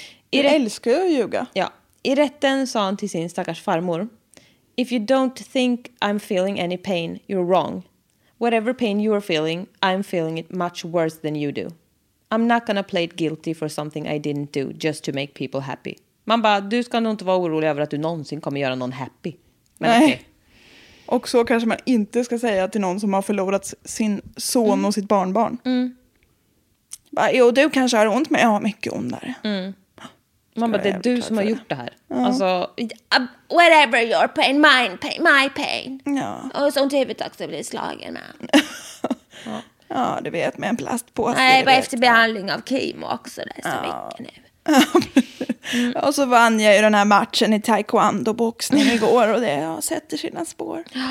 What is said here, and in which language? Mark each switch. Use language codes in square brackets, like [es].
[sv] Okay. Jag älskar ju att ljuga. Ja, i rätten sa han till sin stackars farmor, [en] if you don't think I'm feeling any pain, you're wrong. Whatever pain you're feeling, I'm feeling it much worse than you do. I'm not gonna plead guilty for something I didn't do just to make people happy. [sv] Man bara, du ska nog inte vara orolig över att du någonsin kommer göra någon happy. Men nej. Okay. Och så kanske man inte ska säga till någon som har förlorat sin son och sitt barnbarn. Mm. Bara, jo, du kanske har ont, men jag har mycket ondare. Mm. Man bara, det är du som har gjort det här. Ja. Alltså, [en] whatever your pain, mine pain, my pain. [sv] Ja. Och så ont i huvudet också blir slagen. Ja. Ja, det vet, med en plastpåse. Nej, bara efter behandling av kemo också. Det är så mycket nu. Mm. Och så vann jag ju den här matchen i taekwondo-boxning igår. Och det ja, sätter sina spår.